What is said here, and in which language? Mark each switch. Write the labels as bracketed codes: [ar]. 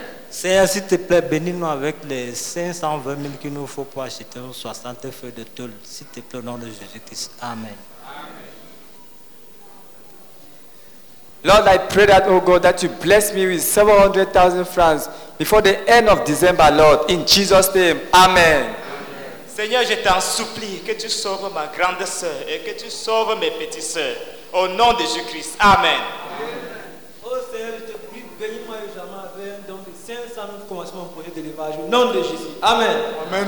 [fr] Seigneur, s'il te plaît, bénis-nous avec les 520 000 qu'il nous faut pour acheter 60 feuilles de tôle. S'il te plaît, au nom de Jésus-Christ. Amen. [en] Lord, I pray that, oh God, that you bless me with 700,000 francs before the end of December, Lord. In Jesus' name. Amen. Amen. [fr] Seigneur, je t'en supplie que tu sauves ma grande sœur et que tu sauves mes petites sœurs. Au nom de Jésus-Christ. Amen. Amen. Oh Seigneur, je te prie, bénis-moi jamais avec un don. Commencement au projet d'élevage au nom de Jésus. Amen. Amen.